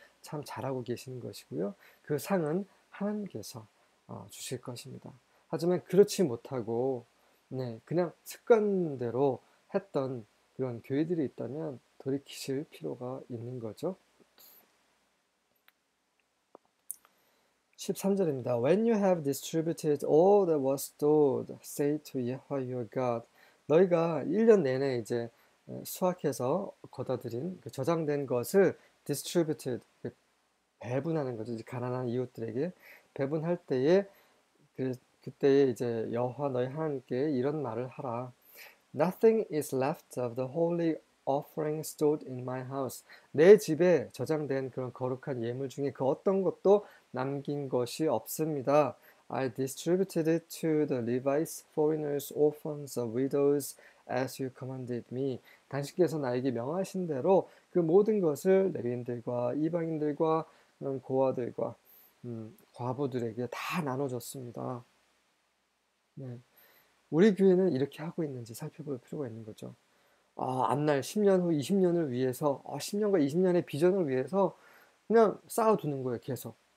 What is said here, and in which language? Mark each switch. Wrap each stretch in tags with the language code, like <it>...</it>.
<ko>참 잘하고 계시는 것이고요. 그 상은 하나님께서 주실 것입니다. 하지만 그렇지 못하고 그냥 습관대로 했던 그런 교회들이 있다면 돌이키실 필요가 있는 거죠. 13절입니다.</ko> <en>When you have distributed all that was stored, say to Yahweh your God.</en> <ko>너희가 1년 내내 이제 수확해서 거둬들인 그 저장된 것을 distributed, 배분하는 거죠. 이제 가난한 이웃들에게 배분할 때에 그때에 이제 여호와 너희 하나님께 이런 말을 하라.</ko> <en>Nothing is left of the holy offering stored in my house.</en> <ko>내 집에 저장된 그런 거룩한 예물 중에 그 어떤 것도 남긴 것이 없습니다.</ko> <en>I distributed it to the Levites, foreigners, orphans, and widows as you commanded me.</en> <ko>당신께서 나에게 명하신 대로 그 모든 것을 내인들과 이방인들과 그런 고아들과 과부들에게 다 나눠줬습니다. 우리 교회는 이렇게 하고 있는지 살펴볼 필요가 있는 거죠. 앞날 10년 후 20년을 위해서 10년과 20년의 비전을 위해서 그냥 쌓아두는 거예요, 계속.</ko>